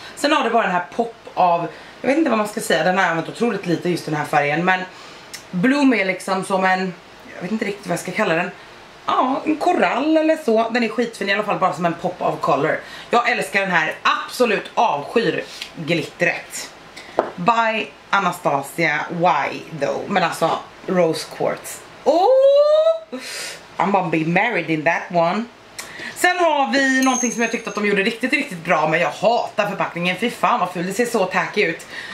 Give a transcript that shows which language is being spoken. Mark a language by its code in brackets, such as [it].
[sv] Sen har du bara den här pop av, jag vet inte vad man ska säga. Den har använt otroligt lite just den här färgen. Men Bloom är liksom som en, jag vet inte riktigt vad jag ska kalla den. Ja, en korall eller så. Den är skitfin i alla fall, bara som en [en] pop of color. [sv] Jag älskar den här, absolut avskyr glittret. [en] By Anastasia, why though? [sv] Men alltså, Rose Quartz. [en] Oh! I'm gonna be married in that one. [sv] Sen har vi någonting som jag tyckte att de gjorde riktigt, riktigt bra, men jag hatar förpackningen. Fy fan vad ful, det ser så tacky ut.